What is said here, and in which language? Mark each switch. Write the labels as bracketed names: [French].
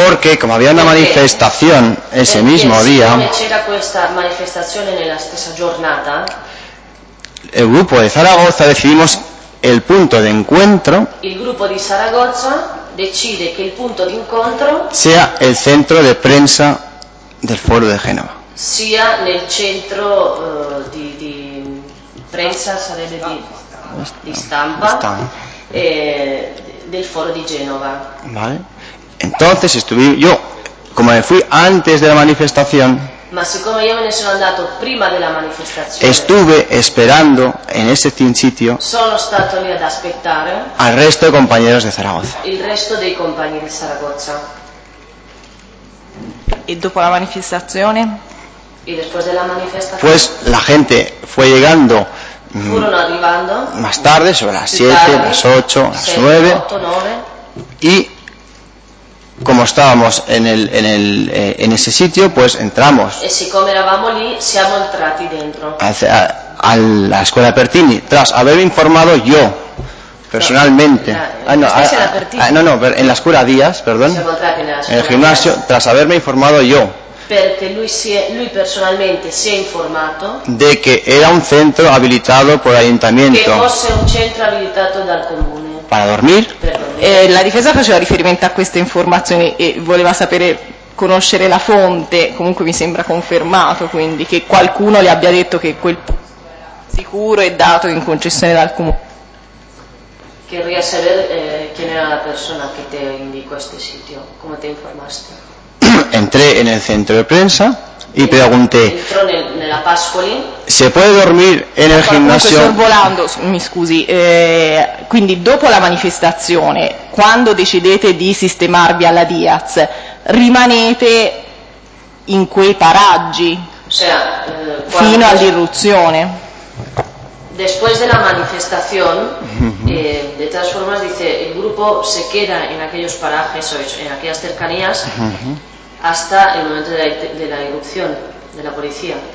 [Spanish] Porque como había una manifestación ese mismo día. [Italian] C'era questa manifestazione nella stessa giornata. [Spanish] El grupo de Zaragoza decidimos el punto de encuentro. [Italian] Il gruppo di Saragozza decide che il punto di incontro sia il centro di prensa del Foro di Genova. Sia nel centro di prensa, sarebbe di stampa, del Foro di Genova. [Spanish] Vale. Entonces estuve yo, como me fui antes de la manifestación. [Italian] Ma siccome io me ne sono andato prima della manifestazione. [Spanish] Estuve esperando en ese sitio. [Italian] Sono stato lì ad aspettare. [Spanish] Al resto de compañeros de Zaragoza. [Italian] Il resto dei compagni di Saragozza. E dopo la manifestazione? [Spanish] Y después de la manifestación. Pues la gente fue llegando. [Italian] Furono arrivando. [Spanish] Más tarde, sobre las 7, las 8, las 9. 8, 9. Y como estábamos en ese sitio, pues entramos. [Italian] E siccome eravamo lì, siamo entrati dentro. [Spanish] A la escuela Pertini, tras haber informado yo personalmente. En la escuela Díaz, perdón. [Italian] Siamo entrati nella scuola. [Spanish] En el gimnasio, Díaz. Tras haberme informado yo. [Italian] Perché lui personalmente si è informato. [Spanish] De que era un centro habilitado por el ayuntamiento. [Italian] Che fosse un centro abilitato dal comune. [Spanish] Para dormir. [Italian] La difesa faceva riferimento a queste informazioni e voleva sapere, conoscere la fonte, comunque mi sembra confermato, quindi che qualcuno le abbia detto che quel posto era sicuro e dato in concessione dal comune. [Spanish] Querría saber quién era la persona que te indicó este sitio, cómo te informaste. Entré en el centro de prensa y pregunté. [Italian] Entró nella Pascoli. [Spanish] ¿Se puede dormir en el gimnasio? [Italian] Sorvolando, mi scusi. Quindi dopo la manifestazione, quando decidete di sistemarvi alla Diaz, rimanete in quei paraggi? Fino all'irruzione. [Spanish] Después de la manifestación, de todas formas dice el grupo se queda en aquellos parajes o en aquellas cercanías. Hasta el momento de la irrupción de la policía.